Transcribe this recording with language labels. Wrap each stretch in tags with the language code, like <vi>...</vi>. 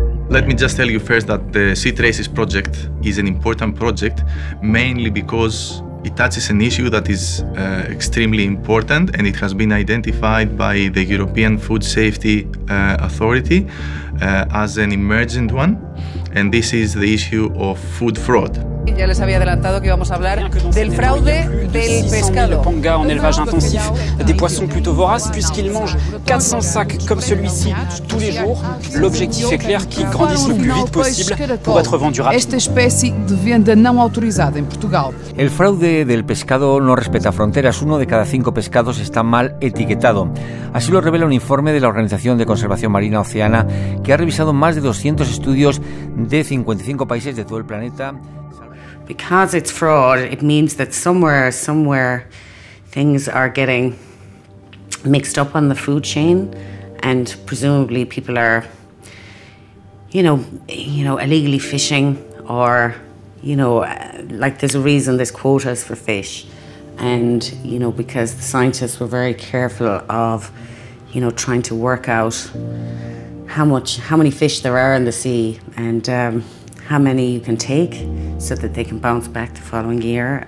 <en>Let me just tell you first that the Seatraces project is an important project, mainly because it touches an issue that is extremely important, and it has been identified by the European Food Safety Authority as an emergent one. And this is the issue of food fraud.</en> <es>Ya les había adelantado que íbamos a hablar del fraude del pescado.</es> <fr>Ponga en élevage intensif des poissons plutôt voraces puisqu'ils mangent 400 sacs comme celui-ci tous les jours. L'objectif est clair, qu'ils grandissent le plus vite possible pour être vendus rapidement.</fr> <pt>Esta especie de venda não autorizada em Portugal.</pt> <es>El fraude del pescado no respeta fronteras. Uno de cada cinco pescados está mal etiquetado. Así lo revela un informe de la Organización de Conservación Marina Oceana, que ha revisado más de 200 estudios de 55 países de todo el planeta.</es> <en>Because it's fraud, it means that somewhere, things are getting mixed up on the food chain, and presumably people are, you know, illegally fishing, or, you know, like there's a reason there's quotas for fish, and, you know, because the scientists were very careful of, you know, trying to work out how many fish there are in the sea, and how many you can take so that they can bounce back the following year.</en>